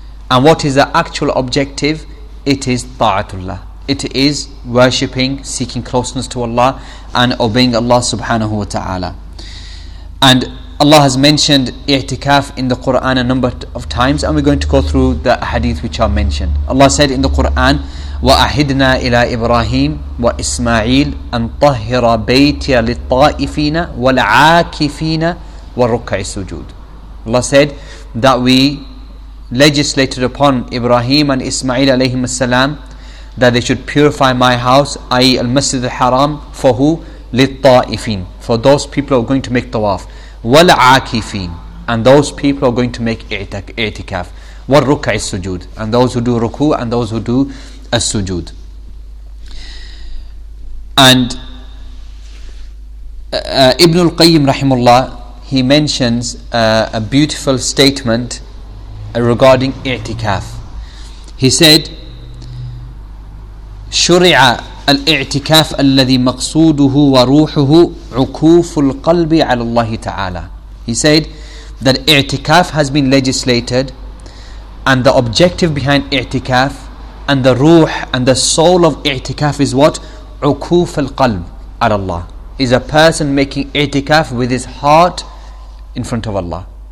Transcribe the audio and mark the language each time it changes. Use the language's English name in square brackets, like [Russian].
[English] And what is the actual objective? It is ta'atullah. It is worshipping, seeking closeness to Allah, and obeying Allah subhanahu wa ta'ala. And Allah has mentioned i'tikaf in the Quran a number of times, and we're going to go through the hadith which are mentioned. Allah said in the Quran, [Arabic] وَأَحِدْنَا إِلَىٰ إِبْرَاهِيمَ وَإِسْمَعِيلَ أَنْ طَهِّرَ بَيْتِيَ لِلطَّائِفِينَ وَالْعَاكِفِينَ وَالرُّكَعِ السُّجُودِ. [English] Allah said that we legislated upon Ibrahim and Ismail alayhim as-salam that they should purify my house, i.e. al-Masjid al-Haram, for who? [Arabic] لِلطَّائِفِينَ, [English] for those people who are going to make tawaf. [Arabic] وَالْعَاكِفِينَ, [English] and those people who are going to make i'tikaf. [Arabic] وَالرُّكَعِ السُّجُودِ, [English] and those who do ruku and those who do as-sujood. And Ibn al-Qayyim rahimullah, he mentions a beautiful statement regarding i'tikaf. He said, [Arabic] شرع الاعتكاف الذي مقصوده وروحه ukuful qalbi ala Allah ta'ala. [English] He said that i'tikaf has been legislated, and the objective behind i'tikaf and the ruh and the soul of i'tikaf is what? [Arabic] Ukuf al-qalb ala Allah. [English] Is a person making i'tikaf with his heart in front of Allah.